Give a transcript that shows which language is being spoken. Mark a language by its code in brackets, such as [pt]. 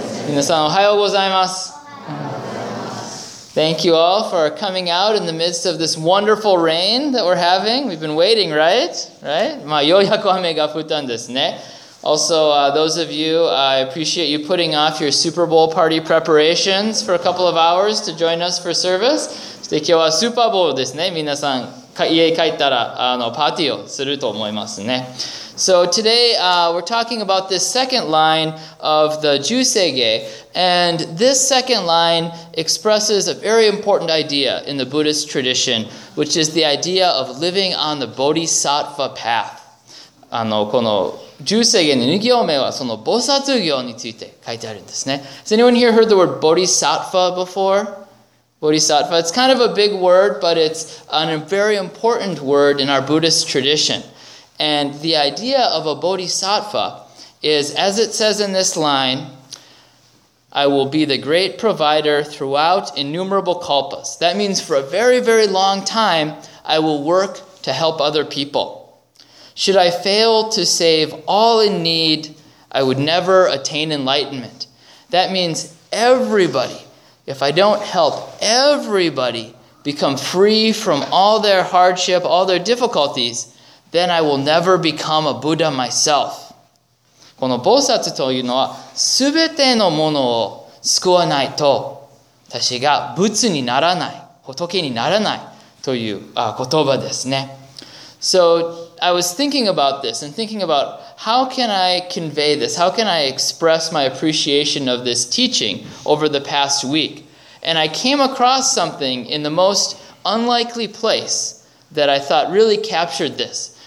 [ja] みなさんおはようございます。 [en] Thank you all for coming out in the midst of this wonderful rain that we're having. We've been waiting, right? Right? [ja] まあようやく雨が降ったんですね。 [en] Also, those of you, I appreciate you putting off your Super Bowl party preparations for a couple of hours to join us for service. [ja] そして今日はスーパーボールですね。皆さん家に帰ったらパーティーをすると思いますね。 [en] So today, we're talking about this second line of the Jusege. And this second line expresses a very important idea in the Buddhist tradition, which is the idea of living on the Bodhisattva path. [ja] この Jusege の2行目はその菩薩行について書いてあるんですね。 [en] Has anyone here heard the word Bodhisattva before? Bodhisattva, it's kind of a big word, but it's a very important word in our Buddhist tradition. And the idea of a Bodhisattva is, as it says in this line, I will be the great provider throughout innumerable kalpas. That means for a very, very long time, I will work to help other people. Should I fail to save all in need, I would never attain enlightenment. That means everybody, if I don't help everybody become free from all their hardship, all their difficulties, then I will never become a Buddha myself. [ja] この菩薩というのは、すべてのものを救わないと、私が仏にならない、仏にならないという言葉ですね。 [en] So,I was thinking about this and thinking about how can I convey this? How can I express my appreciation of this teaching over the past week? And I came across something in the most unlikely place that I thought really captured this.